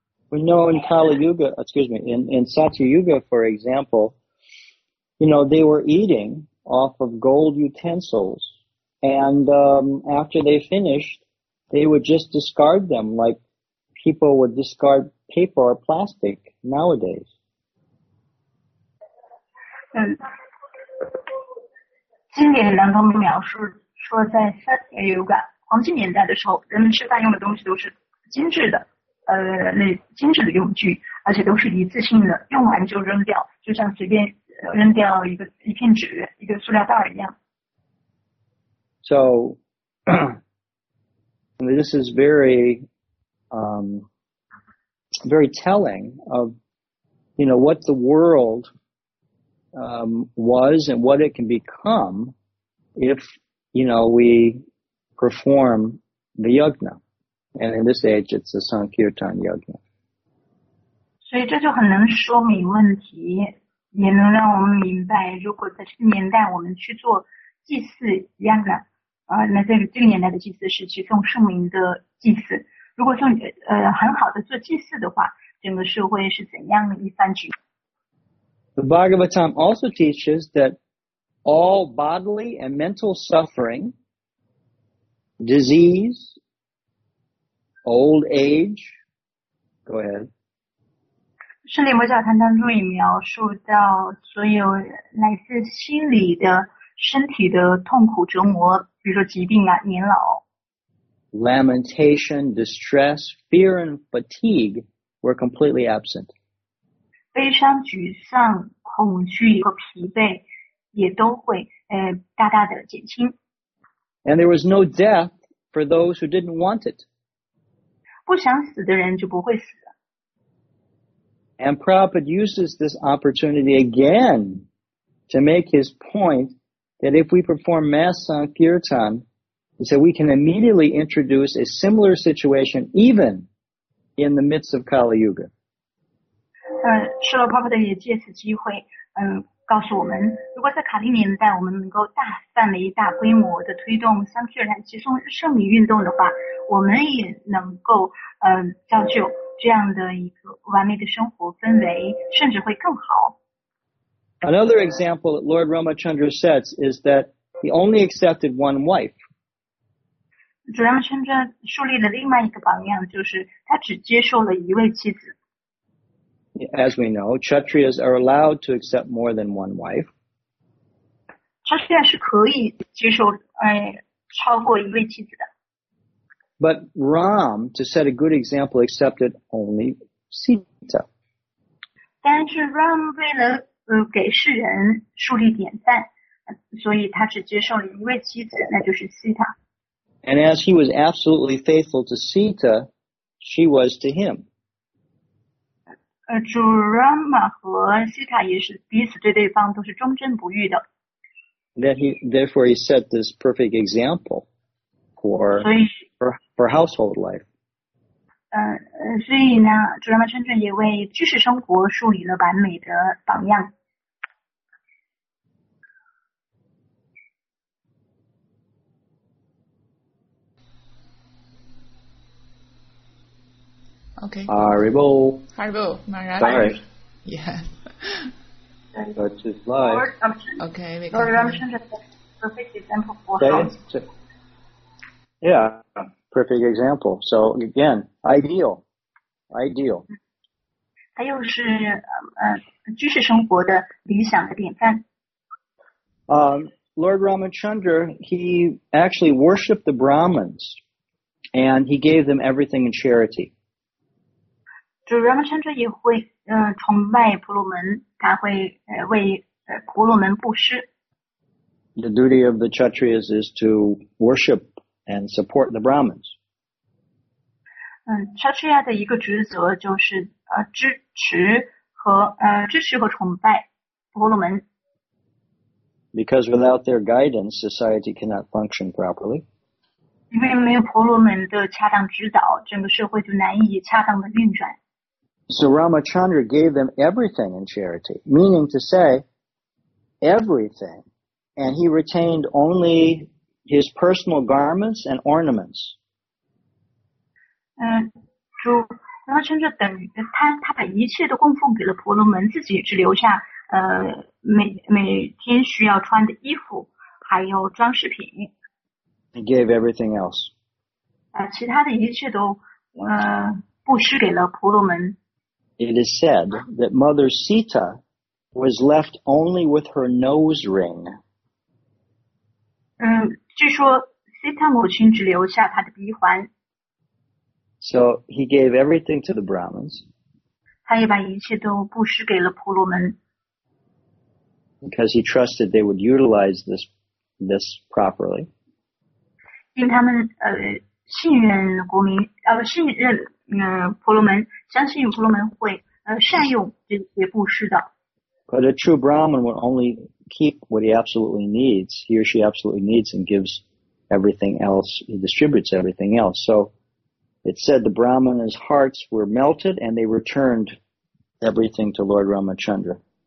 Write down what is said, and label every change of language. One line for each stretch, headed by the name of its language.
English: We know in Kali Yuga, in Satya Yuga, for example, they were eating off of gold utensils, and after they finished, they would just discard them like people would discard paper or plastic nowadays.
Chinese: 经典当中描述说，在Satya Yuga黄金年代的时候，人们吃饭用的东西都是精致的。那精致的用具，而且都是一次性的，用完就扔掉，就像随便扔掉一片纸、一个塑料袋一样。
English: So, this is very, very telling of, what the world, was and what it can become if, we perform the yajna. And in this age, it's the Sankirtan Yajna.
Chinese: 所以这就很能说明问题，也能让我们明白，如果在这个年代我们去做祭祀 Yajna, 那在这个年代的祭祀是去送圣灵的祭祀。如果送很好的做祭祀的话，整个社会是怎样的一番局。
English: The Bhagavatam also teaches that all bodily and mental suffering, disease,Old age, go ahead.
Chinese: 圣利摩教坛当中也描述到所有来自心理的身体的痛苦折磨，比如说疾病啊，年老。
English: Lamentation, distress, fear and fatigue were completely absent.
Chinese: 悲伤、沮丧、恐惧和疲惫也都会大大的减轻。
English: And there was no death for those who didn't want it.
Chinese: 不想死的人就不会死。
English: And Prabhupada uses this opportunity again to make his point that if we perform mass sankirtan, he said we can immediately introduce a similar situation even in the midst of Kali Yuga.
Chinese: Srila Prabhupada 也借此机会告诉我们，如果在卡利年代我们能够大范围、大规模的推动三皮尔坦集中圣灵运动的话，我们也能够造就这样的一个完美的生活氛围，甚至会更好。
English: Another example that Lord Ramachandra sets is that he only accepted one wife.
Chinese: Lord Ramachandra 树立了另外一个榜样，就是他只接受了一位妻子。
English: As we know, Kshatriyas are allowed to accept more than one wife.
Chinese: Kshatriya 是可以接受超过一位妻子的。
English: But Ram, to set a good example, accepted only Sita.
Chinese: 但是 Ram 为了给世人树立典范，所以他只接受了一位妻子，那就是 Sita.
English: And as he was absolutely faithful to Sita, she was to him.
Chinese: 主 Rama 和 Sita 也是彼此对对方都是忠贞不渝的。
English: Therefore, he set this perfect example for household life.
Chinese: 所以呢，主 Rama 真正也为居士生活树立了完美的榜样。
English: Okay. Haribo. Maharaj. Sorry. Yeah. But just live. Okay. Lord Ramachandra, perfect example for us. Yeah, perfect example. So again, ideal.
Chinese: 他又是居士生活的理想的典范。
English: Lord Ramachandra, he actually worshipped the Brahmins, and he gave them everything in charity.
Chinese: So Ramachandra 也会崇拜婆罗门，他会为婆罗门布施。
English: The duty of the Kshatriyas is to worship and support the Brahmins.
Chinese: Kshatriya 的一个职责就是支持和崇拜婆罗门。
English: Because without their guidance, society cannot function properly.
Chinese: 因为没有婆罗门的恰当指导，整个社会就难以恰当的运转。
English: So Ramachandra gave them everything in charity, meaning to say, everything, and he retained only his personal garments and ornaments.
Chinese: 主Ramachandra 等于他把一切都供奉给了婆罗门，自己只留下每天需要穿的衣服，还有装饰品。
English: He gave everything else.
Chinese: 其他的一切都布施给了婆罗门。
English: It is said that Mother Sita was left only with her nose ring.
Chinese: 据说 Sita 母亲只留下她的鼻环。
English: So he gave everything to the Brahmins.
Chinese: 他也把一切都布施给了婆罗门。
English: Because he trusted they would utilize this properly.
Chinese: 因为他们信任国民信任婆罗门，相信婆罗门会善用这些布施的。
English: But a true Brahmin will only keep what he absolutely needs, he or she absolutely needs, and gives everything else, he distributes everything else. So it said the Brahmin's hearts were melted and they returned everything to Lord Ramachandra.